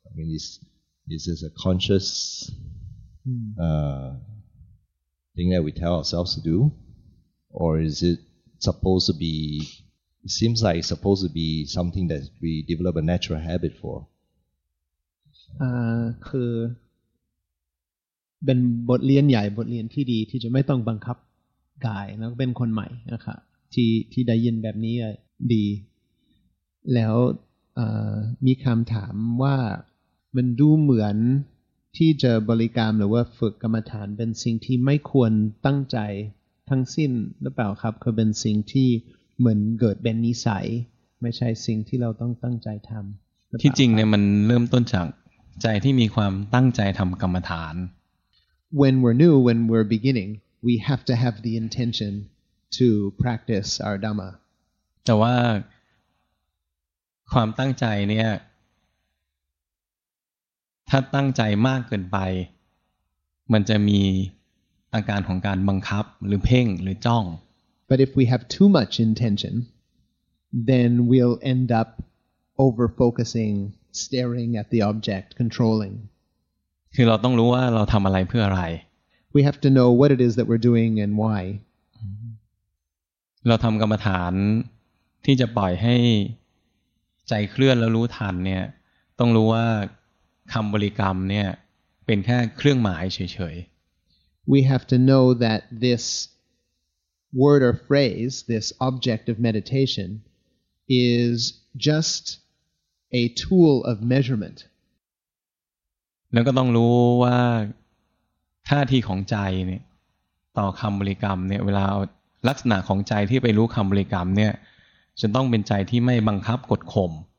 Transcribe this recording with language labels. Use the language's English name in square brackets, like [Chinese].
[English] I mean, is this a conscious thing that we tell ourselves to do? Or is it supposed to beIt seems like it's supposed to be something that we develop a natural habit for. [Thai] คือเป็นบทเรียนใหญ่บทเรียนที่ดีที่จะไม่ต้องบังคับกายแล้วก็เป็นคนใหม่นะคะที่ได้ยินแบบนี้ดีแล้วมีคำถามว่ามันดูเหมือนที่จะบริกรรมหรือว่าฝึกกรรมฐานเป็นสิ่งที่ไม่ควรตั้งใจทั้งสิ้นหรือเปล่าครับคือเป็นสิ่งที่เหมือนเกิดเป็นนิสัยไม่ใช่สิ่งที่เราต้องตั้งใจทำ ที่จริงเนี่ยมันเริ่มต้นจากใจที่มีความตั้งใจทำกรรมฐาน [English] When we're new, when we're beginning, we have to have the intention to practice our Dhamma. [Thai] แต่ว่าความตั้งใจเนี่ยถ้าตั้งใจมากเกินไปมันจะมีอาการของการบังคับหรือเพ่งหรือจ้อง [English] But if we have too much intention, then we'll end up over-focusing, staring at the object, controlling. [Thai] คือเราต้องรู้ว่าเราทำอะไรเพื่ออะไร [English] We have to know what it is that we're doing and why. [Thai] เราทำกรรมฐานที่จะปล่อยให้ใจเคลื่อนแล้วรู้ทันเนี่ยต้องรู้ว่าคำบริกรรมเนี่ยเป็นแค่เครื่องหมายเฉย [English] ๆ We have to know that thisword or phrase, this object of meditation, is just a tool of measurement. [Thai] แล้วก็ต้องรู้ว่าท่าทีของใจเนี่ยต่อคำบริกรรมเนี่ยเวลาลักษณะของใจที่ไปรู้คำบริกรรมเนี่ยจะต้องเป็นใจที่ไม่บังคับกดข่ม